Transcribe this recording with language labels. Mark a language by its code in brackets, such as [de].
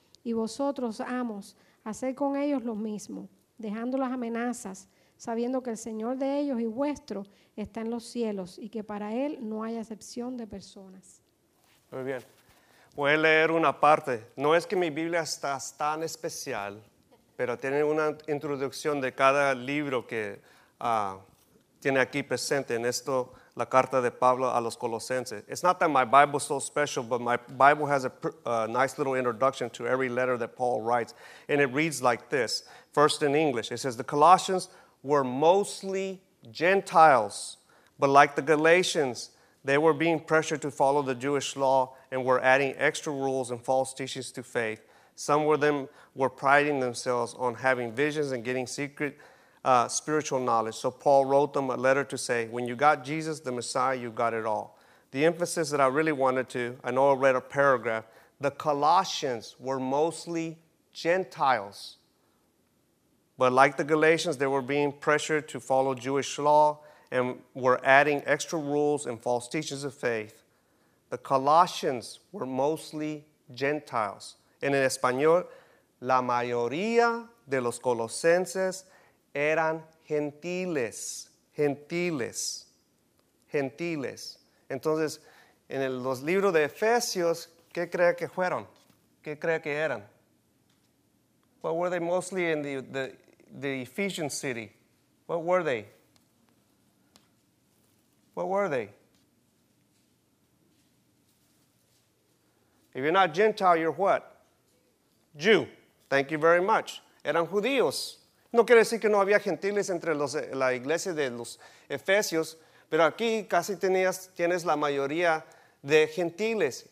[es] Y vosotros, amos, haced con ellos lo mismo, dejando las amenazas, sabiendo que el Señor de ellos y vuestro está en los cielos y que para Él no hay acepción de personas. Muy bien. Voy a leer una parte. No es que mi Biblia está tan especial, pero tiene una introducción de cada libro que tiene aquí presente en esto, la carta de Pablo a los Colosenses. [en] It's not that my Bible is so special, but my Bible has a nice little introduction to every letter that Paul writes. And it reads like this. First in English, it says, the Colossians were mostly Gentiles, but like the Galatians, they were being pressured to follow the Jewish law and were adding extra rules and false teachings to faith. Some of them were priding themselves on having visions and getting secret spiritual knowledge. So Paul wrote them a letter to say, when you got Jesus, the Messiah, you got it all. The emphasis that I really wanted to, I know I read a paragraph, the Colossians were mostly Gentiles. But like the Galatians, they were being pressured to follow Jewish law and were adding extra rules and false teachings of faith. The Colossians were mostly Gentiles. And in [es] Español, la mayoría de los colosenses eran gentiles, gentiles, gentiles. Entonces, en los libros de Efesios, ¿qué cree que fueron? ¿Qué cree que eran? [en] What were they mostly in the Ephesian city? What were they? What were they? If you're not Gentile, you're what? Jew. Thank you very much. [es] Eran judíos. No quiere decir que no había gentiles entre la iglesia de los Efesios, pero aquí casi tienes la mayoría de gentiles.